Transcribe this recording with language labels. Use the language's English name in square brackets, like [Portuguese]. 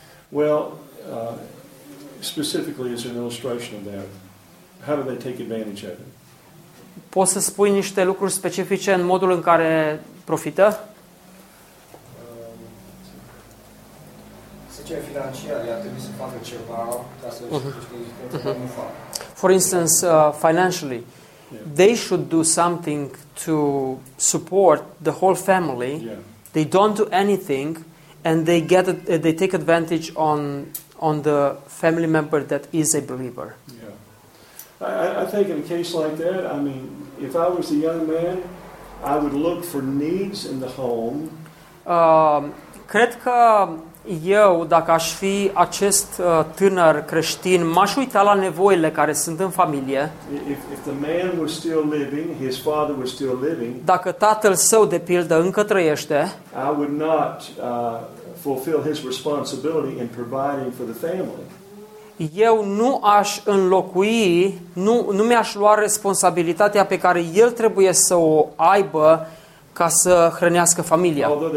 [English] Well, specifically as an illustration of that, how do they take advantage of it? [Romanian] Poți să spui niște lucruri specifice în modul în care profită? Să cer financiar, ea trebuie să facă ceva ca să-și nu fac. [English] For instance, financially, they should do something to support the whole family. Yeah. They don't do anything and they get they take advantage on the family member that is a believer. Yeah. I think in a case like that, I mean, if I was a young man, I would look for needs in the home. [Romanian] Cred că eu, dacă aș fi acest tânăr creștin, m-aș uita la nevoile care sunt în familie. [English] If the man was still living, his father was still living. [Romanian] Dacă tatăl său, de pildă, încă trăiește, [English] I would not fulfill his responsibility in providing for the family. [Romanian] Eu nu aș înlocui, nu mi-aș lua responsabilitatea pe care el trebuie să o aibă ca să hrănească familia.